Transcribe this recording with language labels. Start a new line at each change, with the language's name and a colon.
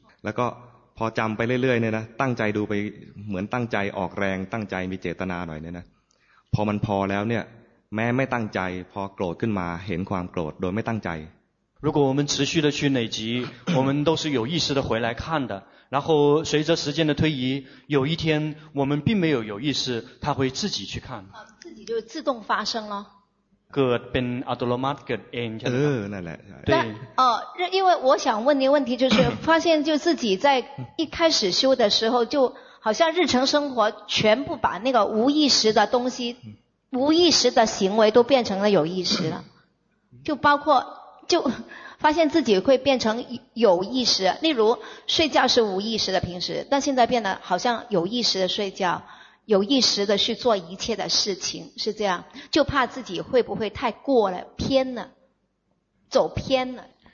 Thai: แล้วก็พอจำไปเรื่อยๆเนี่ยนะตั้งใจดูไปเหมือนตั้งใจออกแรงตั้งใจมีเจตนาหน่อยเนี่ยนะพอมันพอแล้วเนี่ยแม้ไม่ตั้งใจพอโกรธขึ้นมาเห็นความโกรธโดยไม่ตั้งใจ
Chinese: 如果我们持续的去累积我们都是有意识的回来看的然后随着时间的推移有一天我们并没有有意识他会自己去看自己就自动发生了
Thai: เกิดเป็นอัตโนมัติเกิดเองใช่ไหม นั่นแหละ ใ ช่
Chinese: 因为我想问的问题就是发现就自己在一开始修的时候就好像日常生活全部把那个无意识的东西无意识的行为都变成了有意识了就包括就发现自己会变成有意识例如睡觉是无意识的平时但现在变得好像有意识的睡觉有意识的去做一切的事情是这样就怕自己会不会太过了偏了走偏了